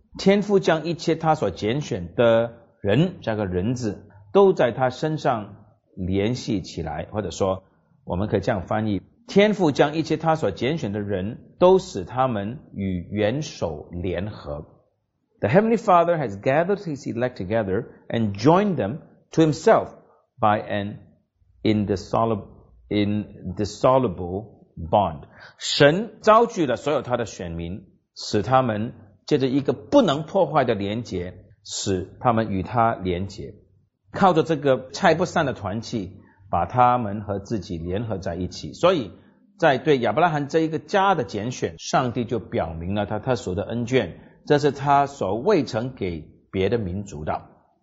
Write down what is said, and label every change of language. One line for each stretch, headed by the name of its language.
Chinese: 天父将一切他所拣选的人，加个人字，都在他身上联系起来，或者说我们可以这样翻译，天父将一切他所拣选的人都使他们与元首联合。
English: The Heavenly Father has gathered his elect together and joined them to himself by an indissoluble bond.
Chinese: 神召聚了所有他的选民，使他们借着一个不能破坏的连结，使他们与他连结，靠着这个拆不散的团契，把他们和自己联合在一起。所以在对亚伯拉罕这一个家的拣选，上帝就表明了他特殊的恩眷，这是他所未曾给别的民族的。